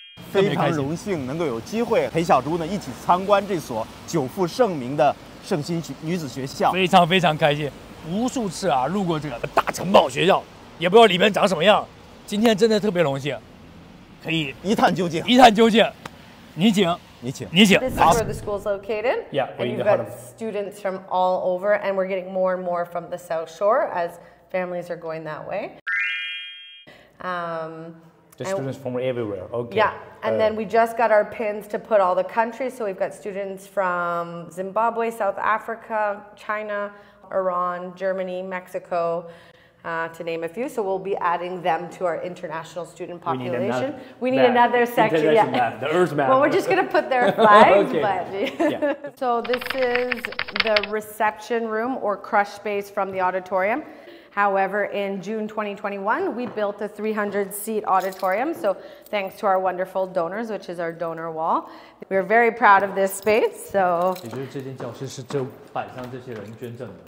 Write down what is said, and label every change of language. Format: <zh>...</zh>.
<zh>非常荣幸能够有机会陪小猪呢一起参观这所久负盛名的圣心女子学校，非常非常开心。无数次啊路过这个大城堡学校，也不知道里面长什么样。今天真的特别荣幸，可以一探究竟。一探究竟，你请，你请，你请。</zh> <en>This is where the school is located. Yeah, and you've got students from all over, and we're getting more and more from the South Shore as families are going that way. The students from everywhere. Okay. Yeah. And then we just got our pins to put all the countries. So we've got students from Zimbabwe, South Africa, China, Iran, Germany, Mexico, to name a few. So we'll be adding them to our international student population. We need another section. The Earth map. Well, we're just going to put their flags. So this is the reception room or crush space from the auditorium. However, in June 2021, we built a 300-seat auditorium. So thanks to our wonderful donors, which is our donor wall. We're very proud of this space, so.</en> <zh>也就是这间教室是这摆上这些人捐赠的。</zh>